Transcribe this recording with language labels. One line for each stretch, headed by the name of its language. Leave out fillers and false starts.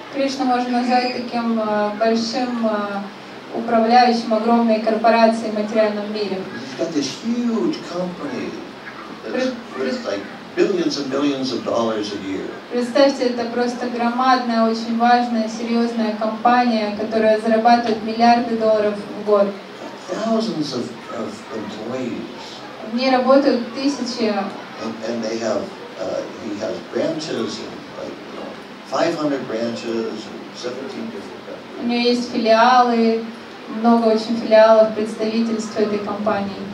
Russian: Кришна можно назвать таким большим управляющим огромной корпорацией в материальном мире.
English: He's got this huge company that's worth like billions and billions of dollars a year.
Russian: Представьте, это просто громадная, очень важная, серьезная компания, которая зарабатывает миллиарды долларов в год.
English: Thousands of employees.
Russian: В ней работают тысячи.
English: And they have, he has branches, and, like, you know, 500 branches and 17 different companies.
Russian: У него есть филиалы. Много очень филиалов представительств этой компании.